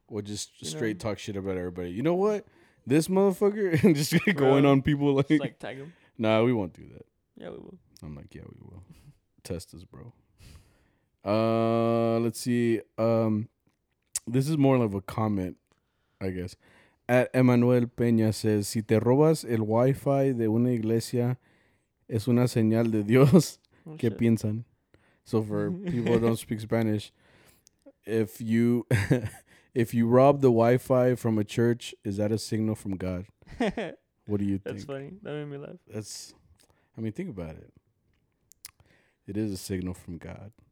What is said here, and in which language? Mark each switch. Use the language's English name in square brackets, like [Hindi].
[English] Or just straight know? Talk shit about everybody. You know what? This motherfucker just bro, going on people like. Just like tag him. Nah, we won't do that. Yeah, we will. I'm like, yeah, we will. Test us, bro. Let's see. This is more of a comment, I guess. At Emmanuel Peña says, [Spanish] si te robas el Wi-Fi de una iglesia, es una señal de Dios. ¿Qué piensan? [English] So for people who don't speak Spanish, if you rob the Wi-Fi from a church, is that a signal from God? What do you That's That's funny. That made me laugh. That's, I mean, think about it. It is a signal from God.